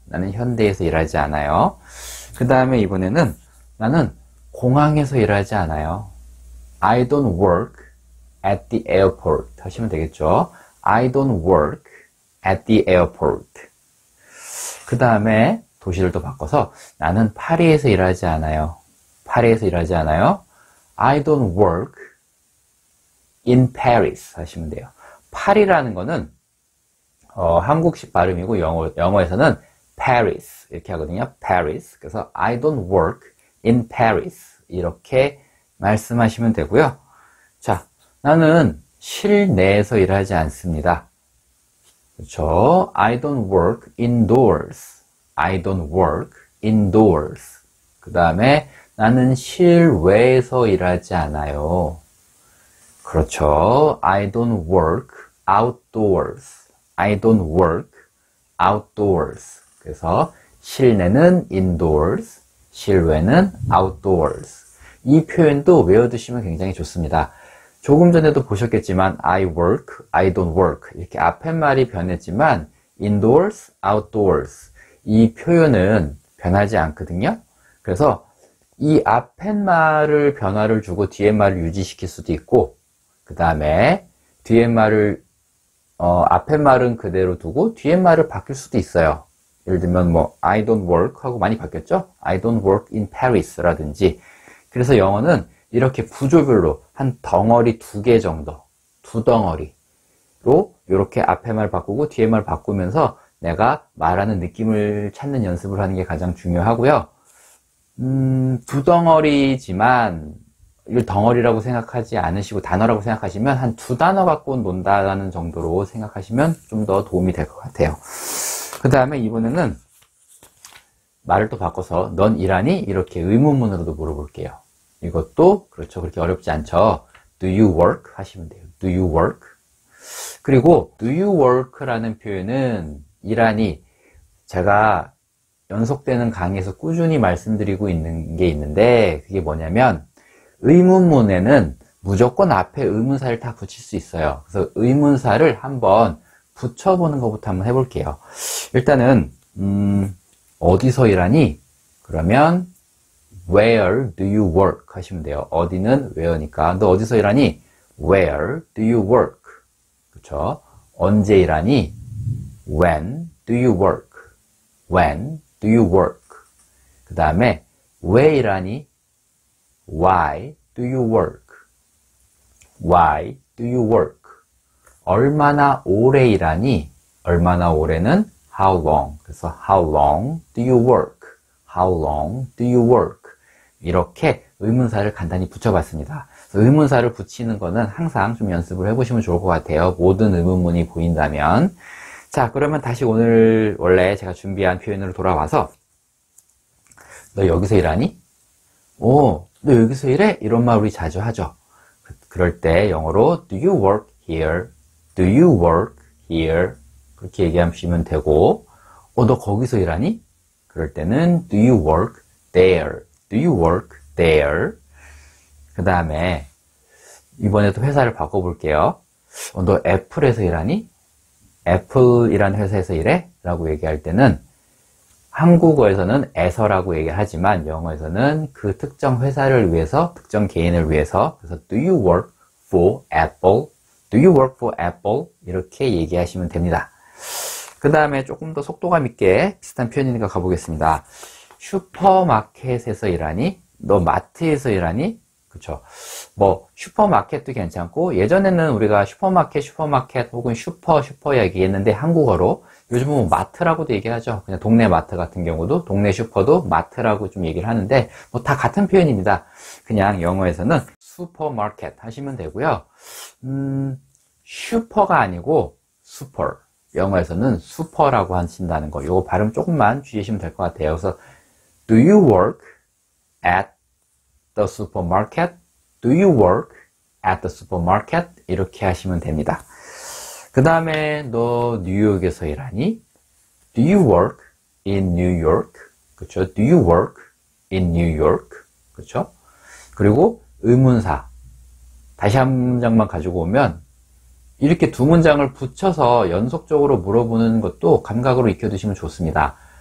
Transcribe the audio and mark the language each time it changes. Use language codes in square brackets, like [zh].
[ko] 나는 현대에서 일하지 않아요. 그 다음에 이번에는 나는 공항에서 일하지 않아요. [en] I don't work at the airport [ko] 하시면 되겠죠. [en] I don't work at the airport. [ko] 그 다음에 도시를 또 바꿔서 나는 파리에서 일하지 않아요. 파리에서 일하지 않아요. [en] I don't work in Paris [ko] 하시면 돼요. 파리라는 거는 한국식 발음이고 영어에서는 Paris 이렇게 하거든요. [en] Paris. [ko] 그래서 [en] I don't work in Paris [ko] 이렇게 말씀하시면 되고요. 자, 나는 실내에서 일하지 않습니다. 그렇죠? [en] I don't work indoors. I don't work indoors. 그 다음에 나는 실외에서 일하지 않아요. [ko] 그렇죠. [en] I don't work outdoors. I don't work outdoors. [ko] 그래서 실내는 indoors, 실외는 outdoors. 이 표현도 외워두시면 굉장히 좋습니다. 조금 전에도 보셨겠지만, [en] I work, I don't work. [ko] 이렇게 앞에 말이 변했지만, indoors, outdoors. 이 표현은 변하지 않거든요. 그래서 이 앞에 말을 변화를 주고 뒤에 말을 유지시킬 수도 있고, 그 다음에 뒤에 말을 앞에 말은 그대로 두고 뒤에 말을 바뀔 수도 있어요. 예를 들면 뭐 [en] I don't work [ko] 하고 많이 바뀌었죠? [en] I don't work in Paris 라든지. [ko] 그래서 영어는 이렇게 구조별로 한 덩어리 두개 정도, 두 덩어리로 이렇게 앞에 말 바꾸고 뒤에 말 바꾸면서 내가 말하는 느낌을 찾는 연습을 하는 게 가장 중요하고요. 두 덩어리지만, 이걸 덩어리라고 생각하지 않으시고, 단어라고 생각하시면, 한두 단어 갖고 논다라는 정도로 생각하시면 좀더 도움이 될것 같아요. 그 다음에 이번에는 말을 또 바꿔서, 넌 일하니? 이렇게 의문문으로도 물어볼게요. 이것도, 그렇죠. 그렇게 어렵지 않죠. [en] Do you work? [ko] 하시면 돼요. Do you work? 그리고, [en] Do you work [ko] 라는 표현은, 일하니? 제가, 연속되는 강의에서 꾸준히 말씀드리고 있는 게 있는데, 그게 뭐냐면, 의문문에는 무조건 앞에 의문사를 다 붙일 수 있어요. 그래서 의문사를 한번 붙여보는 것부터 한번 해볼게요. 일단은, 어디서 일하니? 그러면, [en] where do you work? [ko] 하시면 돼요. 어디는 where니까. 너 어디서 일하니? [en] where do you work? [ko] 그쵸? 언제 일하니? [en] when do you work? when? Do you work? [ko] 그 다음에 왜 일하니? [en] Why do you work? Why do you work? [ko] 얼마나 오래 일하니? 얼마나 오래는? [en] How long? [ko] 그래서 [en] How long do you work? How long do you work? [ko] 이렇게 의문사를 간단히 붙여봤습니다. 의문사를 붙이는 거는 항상 좀 연습을 해보시면 좋을 것 같아요. 모든 의문문이 보인다면. 자, 그러면 다시 오늘 원래 제가 준비한 표현으로 돌아와서, 너 여기서 일하니? 오, 너 여기서 일해? 이런 말 우리 자주 하죠. 그럴 때 영어로 [en] Do you work here? Do you work here? [ko] 그렇게 얘기하시면 되고, 너 거기서 일하니? 그럴 때는 [en] Do you work there? Do you work there? [ko] 그 다음에 이번에도 회사를 바꿔볼게요. 너 애플에서 일하니? 애플이란 회사에서 일해? 라고 얘기할 때는 한국어에서는 에서라고 얘기하지만 영어에서는 그 특정 회사를 위해서, 특정 개인을 위해서, 그래서 [en] Do you work for Apple? Do you work for Apple? [ko] 이렇게 얘기하시면 됩니다. 그 다음에 조금 더 속도감 있게 비슷한 표현이니까 가보겠습니다. 슈퍼마켓에서 일하니? 너 마트에서 일하니? 그렇죠. 뭐 슈퍼마켓도 괜찮고 예전에는 우리가 슈퍼마켓 혹은 슈퍼 얘기했는데 한국어로 요즘은 마트라고도 얘기하죠. 그냥 동네 마트 같은 경우도 동네 슈퍼도 마트라고 좀 얘기를 하는데 뭐다 같은 표현입니다. 그냥 영어에서는 슈퍼마켓 하시면 되고요. 슈퍼가 아니고 슈퍼. 영어에서는 슈퍼라고 하신다는 거. 요거 발음 조금만 주의하시면 될것 같아요. [en] 그래서 Do you work at the supermarket? Do you work at the supermarket? [ko] 이렇게 하시면 됩니다. 그 다음에 너 뉴욕에서 일하니? [en] Do you work in New York? [ko] 그렇죠? [en] Do you work in New York? 그렇죠? [ko] 그리고 의문사. 다시 한 문장만 가지고 오면 이렇게 두 문장을 붙여서 연속적으로 물어보는 것도 감각으로 익혀두시면 좋습니다.